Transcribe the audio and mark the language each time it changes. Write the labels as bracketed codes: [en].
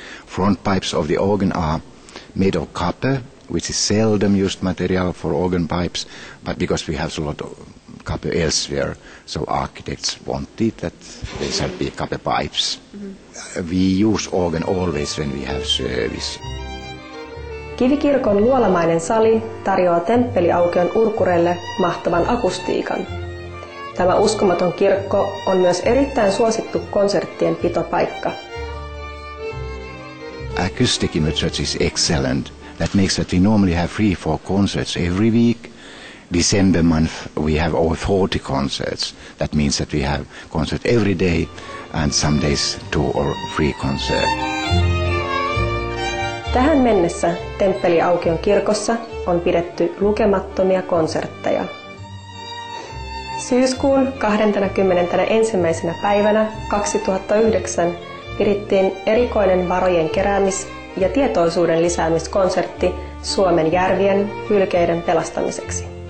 [en] Front pipes of the organ are made of copper, which is seldom used material for organ pipes, but because we have a lot of copper elsewhere, so architects wanted that there shall be copper pipes. Mm-hmm. We use organ always when we have service. [fi] Kivikirkon luolamainen sali tarjoaa temppeliaukion urkureille mahtavan akustiikan. Tämä uskomaton kirkko on myös erittäin suosittu konserttien pitopaikka. [en] Acoustic in the church is excellent. That makes that we normally have 3-4 concerts every week. December month we have over 40 concerts. That means that we have concert every day and some days 2 or 3 concerts. [fi] Tähän mennessä temppeliaukion kirkossa on pidetty lukemattomia konsertteja. Syyskuun 21. päivänä 2009 pidettiin erikoinen varojen keräämis- ja tietoisuuden lisäämiskonsertti Suomen järvien hylkeiden pelastamiseksi.